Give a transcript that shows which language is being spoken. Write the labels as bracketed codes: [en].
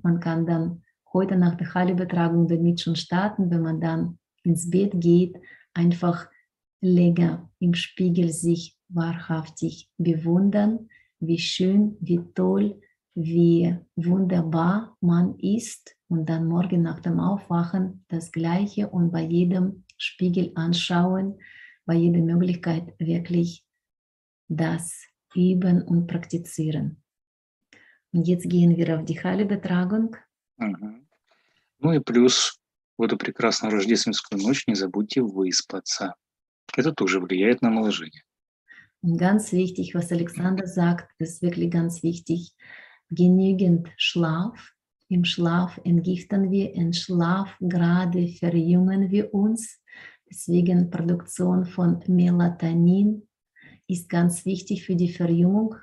[de] Man kann dann heute nach der Heilübertragung damit schon starten, wenn man dann ins Bett geht, einfach länger im Spiegel sich wahrhaftig bewundern, wie schön, wie toll, wie wunderbar man ist, und dann morgen nach dem Aufwachen das Gleiche und bei jedem Spiegel anschauen, bei jeder Möglichkeit wirklich das üben und praktizieren. Und jetzt gehen wir auf die Heilübertragung. [ru] Ну и плюс в эту прекрасную рождественскую ночь не забудьте выспаться. Это тоже влияет на наложение. [de] Und ganz wichtig, was Alexander sagt, ist wirklich ganz wichtig. Genügend Schlaf. Im Schlaf entgiften wir, im Schlaf gerade verjüngen wir uns. Deswegen Produktion von Melatonin ist ganz wichtig für die Verjüngung.